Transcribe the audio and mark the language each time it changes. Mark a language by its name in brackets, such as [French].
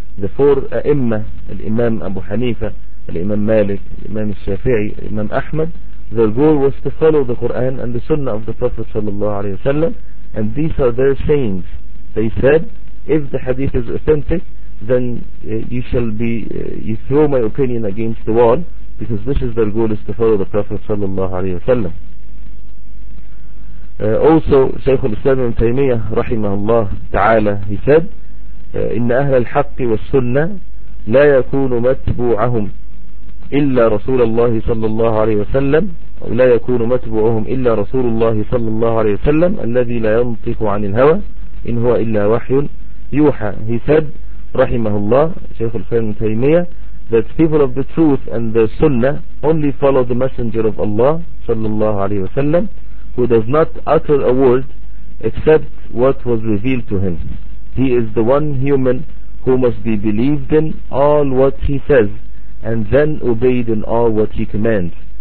[English] The four a'imma, Imam Abu Hanifa, Imam Malik, Imam Shafi'i, Imam Ahmad, their goal was to follow the Quran and the Sunnah of the Prophet sallallahu alayhi wa sallam, and these are their sayings. They said, if the hadith is authentic, then you throw my opinion against the wall, because this is their goal, is to follow the Prophet sallallahu alayhi wa sallam. Also Shaykh al-Islam ibn Taymiyyah rahimahullah ta'ala, he said, [Arabic] إِنَّ أَهْلَ الْحَقِّ وَالسُّنَّةِ لَا يَكُونُ مَتْبُوعَهُمْ إِلَّا رَسُولَ اللَّهِ صَلَّى اللَّهُ عَلَيْهِ وَسَلَّمْ لَا يَكُونُ مَتْبُوعُهُمْ إِلَّا رَسُولُ اللَّهِ صَلَّى اللَّهُ عَلَيْهِ وَسَلَّمْ الَّذِي لَا يَنْطِقُ عَنِ الْهَوَى إِنْ هُوَ إِلَّا وَحْيٌ يُوحَى. [English] He said, rahimahullah, Shaykh al-Islam ibn Taymiyyah, that people of the truth and the sunnah only follow the messenger of Allah sallallahu alayhi wa sallam, who does not utter a word except what was revealed to him. He is the one human who must be believed in all what he says and then obeyed in all what he commands.